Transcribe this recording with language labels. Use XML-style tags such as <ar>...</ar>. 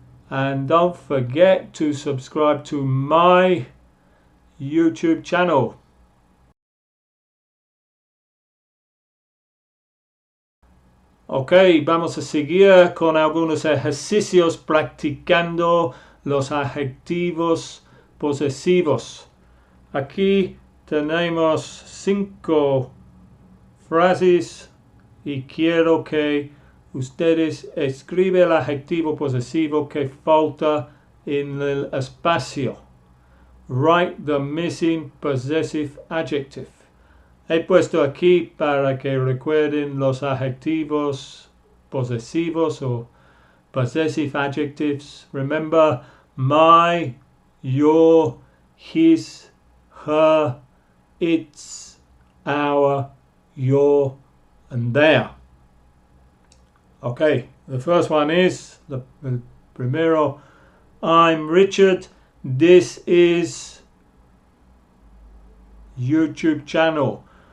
<en>And don't forget to subscribe to my YouTube channel.</en> <es>Ok, vamos a seguir con algunos ejercicios practicando los adjetivos posesivos. Aquí tenemos 5 frases y quiero que ustedes escriban el adjetivo posesivo que falta en el espacio.</es> <en>Write the missing possessive adjective.</en> <es>He puesto aquí para que recuerden los adjetivos posesivos o</es> <en>possessive adjectives. Remember, my, your, his, her, its, our, your, and their. Okay, the first one is, the primero, I'm Richard, this is YouTube channel.</en>